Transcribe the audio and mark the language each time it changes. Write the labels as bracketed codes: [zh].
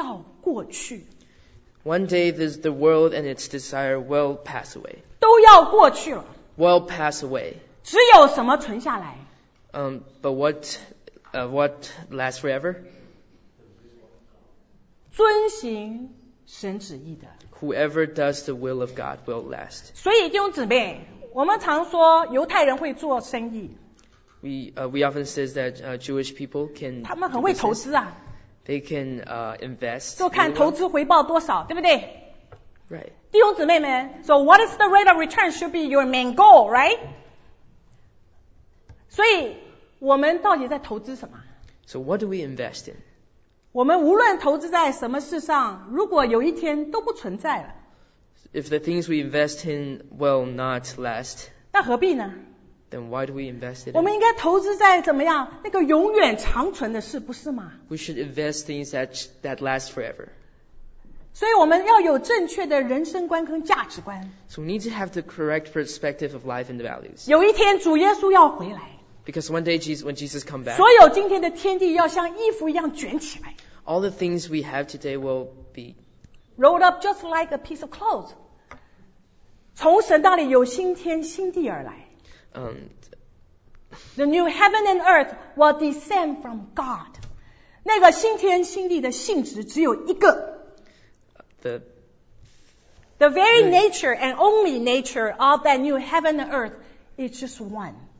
[zh] 所以有一天，这个世界和其上所有的情欲，我们今天能看见、能摸着的，都要过去。One [en] day the world and its desire will pass away. [zh] 都要过去了。Will [en] pass away. [zh] 只有什么存下来？ [en] But what lasts forever? [zh] 遵行神旨意的。Whoever [en] does the will of God will last. [zh] 所以弟兄姊妹。我们常说犹太人会做生意。 [en] We often says that Jewish people can. [zh] 他们很会投资啊。They [en] can invest. [zh] 就看投资回报多少，对不对？ [en] Right. [zh] 弟兄姊妹们， [en] So what is the rate of return should be your main goal, right? [zh] 所以我们到底在投资什么？ [en] So what do we invest in? [zh] 我们无论投资在什么事上，如果有一天都不存在了。 [en] If the things we invest in will not last, [zh] 那何必呢? [en] then why do we invest it? [zh] 我们应该投资在怎么样那个永远长存的事，不是吗？ [en] We should invest things that last forever. [zh] 所以我们要有正确的人生观跟价值观。 [en] So we need to have the correct perspective of life and the values. [zh] 有一天主耶稣要回来。 [en] Because one day when Jesus comes back, [zh] 所有今天的天地要像衣服一样卷起来。 [en] All the things we have today will be rolled up just like a piece of clothes. [zh] 从神那里有新天新地而来。 [en] The new heaven and earth will descend from God. [zh] 那个新天新地的性质只有一个。 [en] The very nature and only nature of that new heaven and earth is just one.